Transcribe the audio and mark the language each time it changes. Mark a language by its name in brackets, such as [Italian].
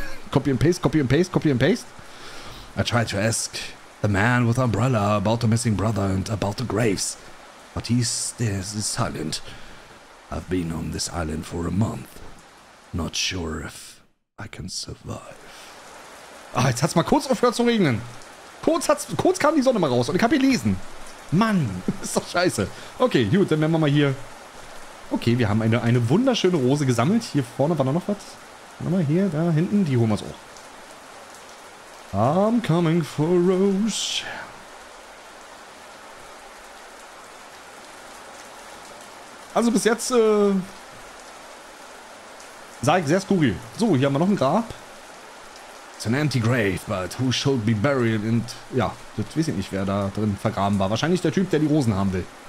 [English] Copy and paste, copy and paste, copy and paste. I tried to ask the man with umbrella about the missing brother and about the graves. But he's silent. I've been on this island for a month. Not sure if I can survive. [German] Ah, jetzt hat's mal kurz aufgehört zu regnen. Kurz kam die Sonne mal raus und ich hab hier lesen. Mann, ist doch scheiße. Okay, gut, dann werden wir mal hier... Okay, wir haben eine wunderschöne Rose gesammelt. Hier vorne war da noch was. Warte mal, hier, da hinten, die holen wir uns auch. [English] I'm coming for Rose. [German] Also bis jetzt, sah ich sehr skurril. So, hier haben wir noch ein Grab. [English] It's an empty grave, but who should be buried in... [German] Ja, das weiß ich nicht, wer da drin vergraben war. Wahrscheinlich der Typ, der die Rosen haben will.